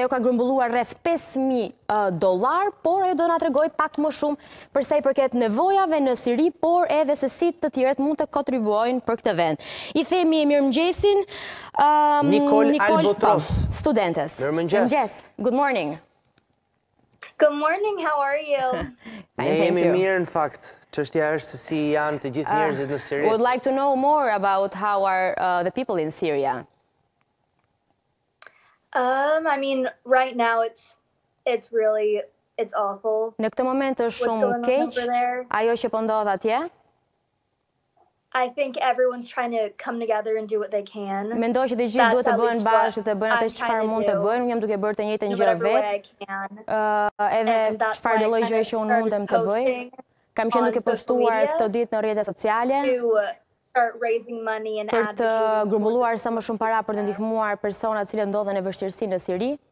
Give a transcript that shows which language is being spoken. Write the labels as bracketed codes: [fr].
[sq] Ajo ka grumbulluar rreth 5.000 dollar, por ajo do na tregoj pak më shumë për sa i përket nevojave në Siri, por edhe se si të tjerët mund të kontribuojnë për këtë vend. I themi mirëmëngjesin Nicole Albotros, studentes. Mirëmëngjes. [en] Good morning. Good morning, how are you? [sq] Ne jemi mirë, në fakt, çështja është si janë të gjithë njerëzit në Siri. [en] I would like to know more about how are the people in Syria. I mean, right now it's really awful. [sq] Në këtë moment është shumë keq. Ajo që po ndodh atje? [en] I think everyone's trying to come together and do what they can. [sq] Mendoj që të gjithë duhet të bëhen bashkë, të bëjnë atë çfarë mund të bëjnë. Unë jam duke bërë të njëjtën gjë vetë. Edhe çfarë lloj gjëje që unë mundem të bëj. Kam qenë duke postuar këtë ditë në rrjetet sociale. Për të grumbulluar sa më shumë para për të ndihmuar persona të cilët ndodhen në vështirësi në Siri.